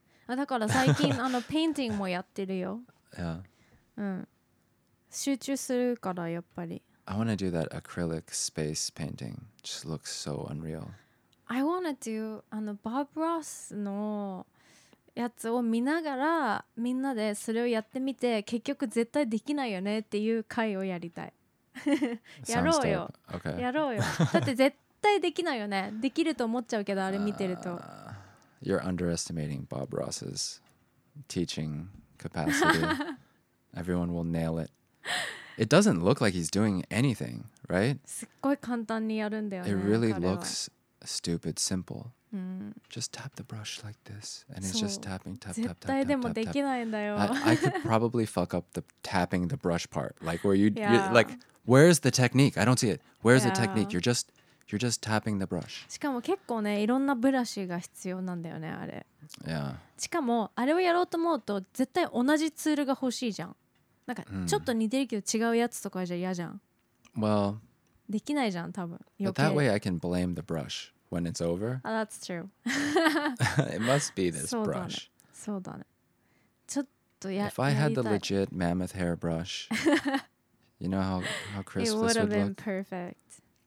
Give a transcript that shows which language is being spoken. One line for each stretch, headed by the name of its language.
Japanese: あ、だから最近あのペインティングもやってるよ。
English: Yeah.
Japanese: うん。集中するからやっぱり。
English: I want to do that acrylic space painting. It just looks so unreal. I want to do
Japanese: あのBob Ross のやつを見ながらみんなでそれをやってみて、結局絶対できないよねっていう回をやりたい。やろうよ、
English: okay.
Japanese: やろうよ、だって絶対できないよね、できると思っちゃうけど、あれ見てると
English: You're underestimating Bob Ross's teaching capacity. Everyone will nail it. It doesn't look like he's doing anything, right?
Japanese: すっごい簡単にやるんだよね。
English: It really looks stupid, simple. Just tap the brush like this, and it's just tapping, tap, tap, tap, tap, tap.
Japanese: 絶対でもできないんだよ。
English: I could probably fuck up the tapping the brush part, like where you, like, where's the technique? I don't see it. Where's the technique? You're just tapping the brush.
Japanese: しかも結構ね、いろんなブラシが必要なんだよね、あれ。
English: Yeah.
Japanese: しかもあれをやろうと思うと絶対同じツールが欲しいじゃん。なんかちょっと似てるけど違うやつとかじゃ嫌じゃん。
English: Well,
Japanese: できないじゃん、多分。
English: But that way I can blame the brush when it's over. Ah, that's true. It must be this brush.
Japanese: そうだね。ちょっとやりたい。
English: If I had the legit mammoth hair brush, you know how crisp this would look? It would have been perfect.